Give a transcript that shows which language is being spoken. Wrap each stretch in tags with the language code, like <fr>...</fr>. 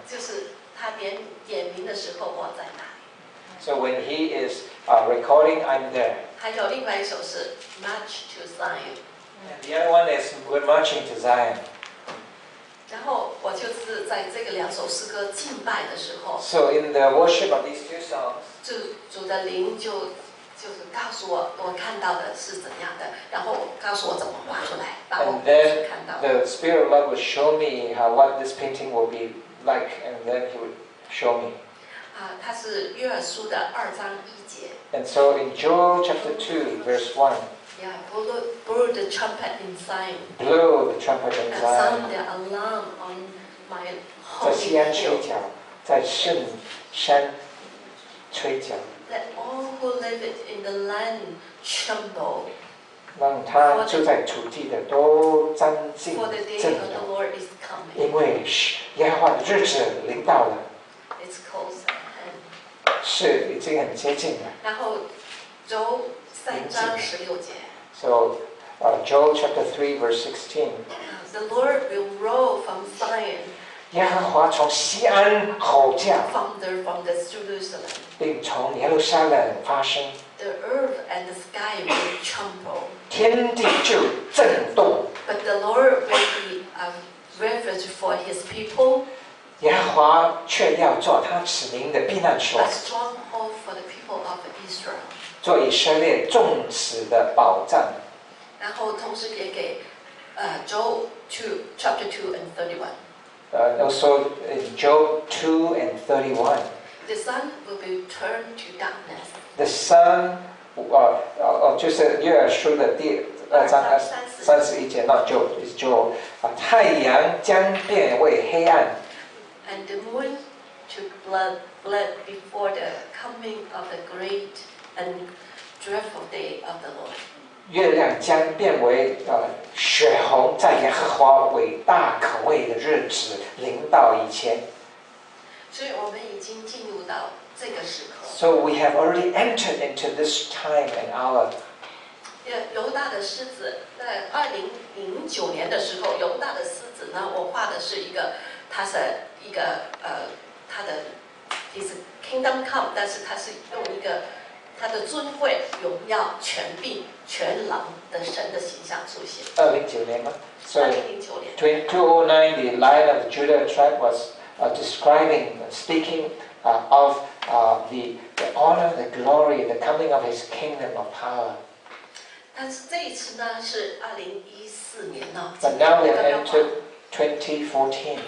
<zh>就是他点名的时候，我在哪里。</zh> <en>So when he is recording, I'm there.</en> <zh>他还有另外一首是</zh> <en>March to Zion。 The other one is We're Marching to Zion。</en> <zh>然后我就是在这个两首诗歌敬拜的时候。</zh> <en>So in the worship of these two songs。</en> <zh>主的灵就是告诉我我看到的是怎样的，然后告诉我怎么画出来，把我看到。</zh> <en>And then the Spirit of Love will show me how what this painting will be like, and then he would show me。</en> <zh>啊，它是约珥书的二章一节。</zh> <en>And so in Joel chapter 2:1。 Yeah, blew the trumpet in Zion. Blew the trumpet in Zion. Sound the alarm on my holy hill.</en> <zh>在圣山吹角。</zh> <en>Let all who live in the land tremble.</en> <zh>让他住在土地的都张敬</zh> <en>震动。For the day of the Lord is coming.</en> <zh>因为耶和华的日子临到了。</zh> <en>It's close at hand.</en> <zh>是已经很接近了。然后周三章十六节。</zh> <en>So, Joel chapter 3:16. The Lord will roar from Zion.</en> <zh>耶和华从锡安吼叫。</zh> <en>Thunder from the Jerusalem.</en> <zh>并从耶路撒冷发声。</zh> <en>The earth and the sky will tremble.</en> <zh>天地就震动。</zh> <en>But the Lord will be a refuge for His people.</en> <zh>耶和华却要做他子民的避难所。</zh> <en>A stronghold for the people of Israel.</en> <zh>做以色列众子的保障，然后同时也给Joel chapter 2:31。</zh> <en>Also in Joel 2:31。 The sun will be turned to darkness. The sun，</en> <zh>就是约珥书的第二章三十一节 ，</zh> <en>not Joel， is Joel。</en> <zh>太阳将变为黑暗。</zh> <en>And the moon to blood before the coming of the great. And dreadful day of the Lord.</en> <zh>月亮将变为血红，在耶和华伟大可畏的日子临到以前。所以我们已经进入到这个时刻。</zh> <en>So we have already entered into this time and hour.</en> <zh>犹大的狮子，在2009年的时候，犹大的狮子呢，我画的是一个，它是一个它的 ，</zh> <en>is kingdom come，</en> <zh>但是它是用一个。他的尊贵、荣耀、权柄、全能的神的形象出现。 2009年吗？ 2009年。</zh> <en>2009, the lion of Judah tribe was describing, speaking of the honor, the glory, the coming of his kingdom of power.</en> <zh>但是这一次呢，是2014年呢。</zh> <en>But now they entered 2014.</en>